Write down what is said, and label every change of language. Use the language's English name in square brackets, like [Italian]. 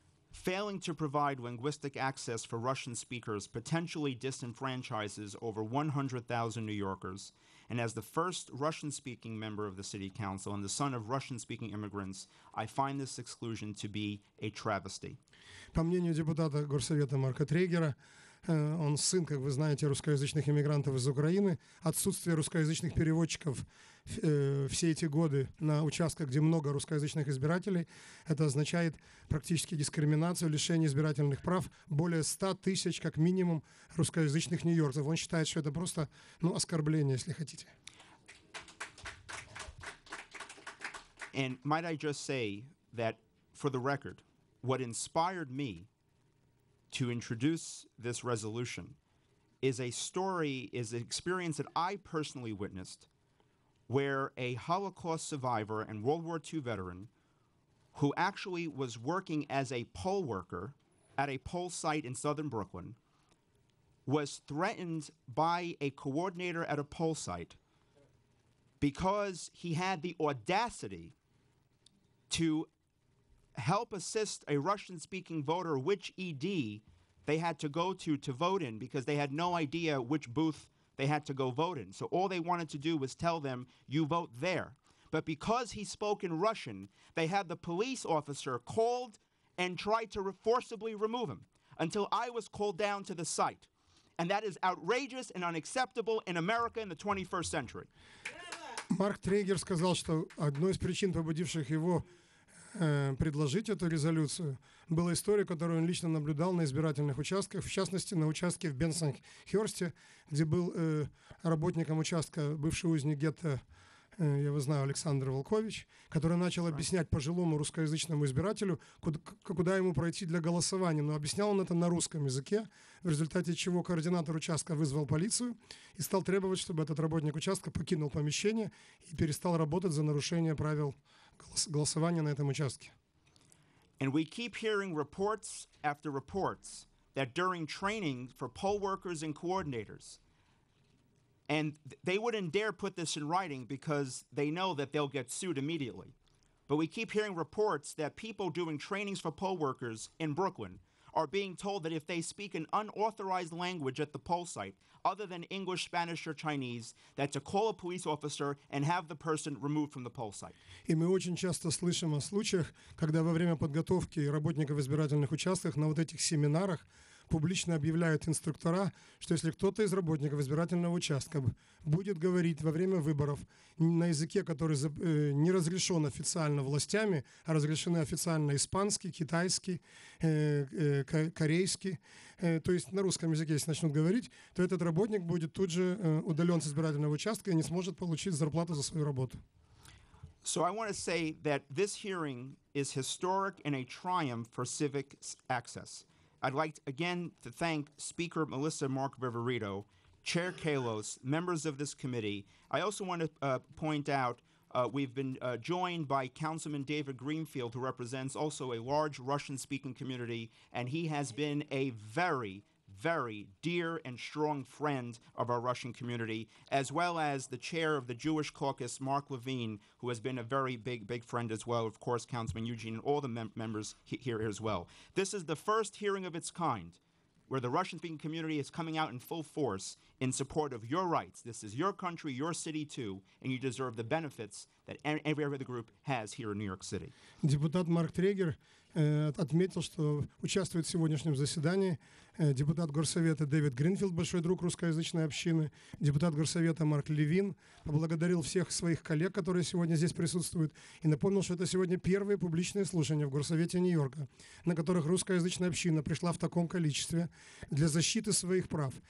[English] Failing to provide linguistic access for Russian speakers potentially disenfranchises over 100,000 New Yorkers, and as the first Russian-speaking member of the City Council and the son of Russian-speaking immigrants, I find this exclusion to be a travesty. [Russian] По мнению депутата Горсовета Марка Трейгера, он сын, как вы знаете, русскоязычных иммигрантов из Украины. Отсутствие русскоязычных переводчиков все эти годы на участках, где много русскоязычных избирателей, это означает практически дискриминацию, лишение избирательных прав более 100 тысяч, как минимум, русскоязычных нью-йоркцев. Он считает, что это просто, ну, оскорбление, если хотите. [English] And might I just say that, for the record, what inspired me to introduce this resolution is a story, is an experience that I personally witnessed, where a Holocaust survivor and World War II veteran, who actually was working as a poll worker at a poll site in southern Brooklyn, was threatened by a coordinator at a poll site because he had the audacity to help assist a Russian-speaking voter which ED they had to go to vote in, because they had no idea which booth they had to go vote in. So all they wanted to do was tell them, you vote there. But because he spoke in Russian, they had the police officer called and tried to forcibly remove him until I was called down to the site. And that is outrageous and unacceptable in America in the 21st century. [Russian] Марк Трейгер сказал, что одной из причин, побудивших его предложить эту резолюцию, была история, которую он лично наблюдал на избирательных участках, в частности, на участке в Бенсонхерсте, где был работником участка, бывший узник гетто, я его знаю, Александр Волкович, который начал объяснять пожилому русскоязычному избирателю, куда ему пройти для голосования. Но объяснял он это на русском языке, в результате чего координатор участка вызвал полицию и стал требовать, чтобы этот работник участка покинул помещение и перестал работать за нарушение правил голосования на этом участке. [English] And we keep hearing reports after reports that during training for poll workers and coordinators, and they wouldn't dare put this in writing because they know that they'll get sued immediately. But we keep hearing reports that people doing trainings for poll workers in Brooklyn are being told that if they speak an unauthorized language at the poll site, other than English, Spanish, or Chinese, that to call a police officer and have the person removed from the poll site. [Russian] И мы очень часто слышим о случаях, когда во время подготовки работников избирательных участков на вот этих семинарах публично объявляют инструктора, что если кто-то из работников избирательного участка будет говорить во время выборов на языке, который не разрешен официально властями, а разрешены официально испанский, китайский, корейский, то есть на русском языке, если начнут говорить, то этот работник будет тут же удален с избирательного участка и не сможет получить зарплату за свою работу. [English] So I want to say that this hearing is historic and a triumph for civic access. I'd like to, again to thank Speaker Melissa Mark Viverito, Chair Kallos, members of this committee. I also want to point out we've been joined by Councilman David Greenfield, who represents also a large Russian-speaking community, and he has been a very, very dear and strong friend of our Russian community, as well as the chair of the Jewish Caucus, Mark Levine, who has been a very big, big friend as well. Of course, Councilman Eugene and all the members here as well. This is the first hearing of its kind where the Russian-speaking community is coming out in full force in support of your rights. This is your country, your city too, and you deserve the benefits that every other group has here in New York City. [Russian] Депутат Марк Трейгер отметил, что участвует в сегодняшнем заседании депутат Горсовета Дэвид Гринфилд, большой друг русскоязычной общины, депутат Горсовета Марк Левин, поблагодарил всех своих коллег, которые сегодня здесь присутствуют, и напомнил, что это сегодня первые публичные слушания в Горсовете Нью-Йорка, на которых русскоязычная община пришла в таком количестве для защиты своих прав.